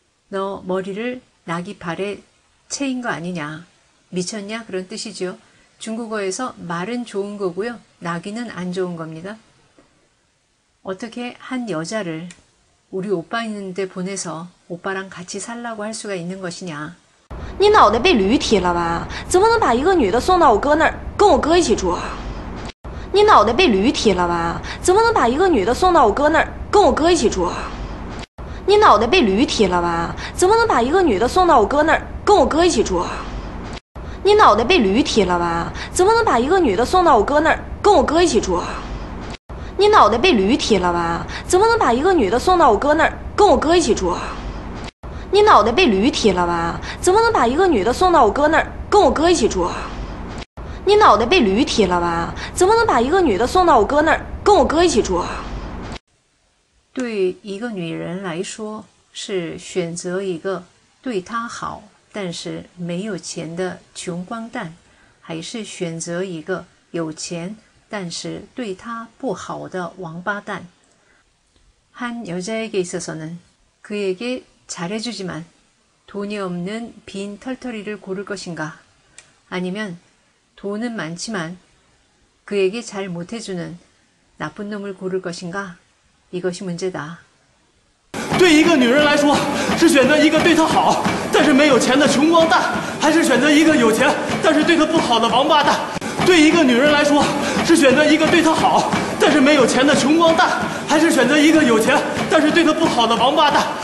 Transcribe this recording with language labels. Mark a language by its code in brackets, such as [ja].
[ko] 너 머리를 나귀발에 채인 거 아니냐? 미쳤냐? 그런 뜻이죠. 중국어에서 말은 좋은 거고요. 나귀는 안 좋은 겁니다. 어떻게 한 여자를 우리 오빠 있는데 보내서 오빠랑 같이 살라고 할 수가 있는 것이냐? [zh] 你脑袋被驴踢了吧？怎么能把一个女的送到我哥那儿，跟我哥一起住啊？你脑袋被驴踢了吧？怎么能把一个女的送到我哥那儿，跟我哥一起住啊？你脑袋被驴踢了吧？怎么能把一个女的送到我哥那儿，跟我哥一起住啊？你脑袋被驴踢了吧？怎么能把一个女的送到我哥那儿，跟我哥一起住啊？你脑袋被驴踢了吧？怎么能把一个女的送到我哥那儿，跟我哥一起住啊？你脑袋被驴踢了吧？怎么能把一个女的送到我哥那儿，跟我哥一起住啊？你脑袋被驴踢了吧？怎么能把一个女的送到我哥那儿，跟我哥一起住啊？对一个女人来说，是选择一个对她好，但是没有钱的穷光蛋，还是选择一个有钱但是对他不好的王八蛋。 [ko] 한 여자에게 있어서는 그에게 잘해주지만 돈이 없는 빈 털터리를 고를 것인가? 아니면 돈은 많지만 그에게 잘 못해주는 나쁜 놈을 고를 것인가? 이것이 문제다. [zh] 对一个女人来说，是选择一个对她好但是没有钱的穷光蛋，还是选择一个有钱但是对她不好的王八蛋？对一个女人来说，是选择一个对她好但是没有钱的穷光蛋，还是选择一个有钱但是对她不好的王八蛋？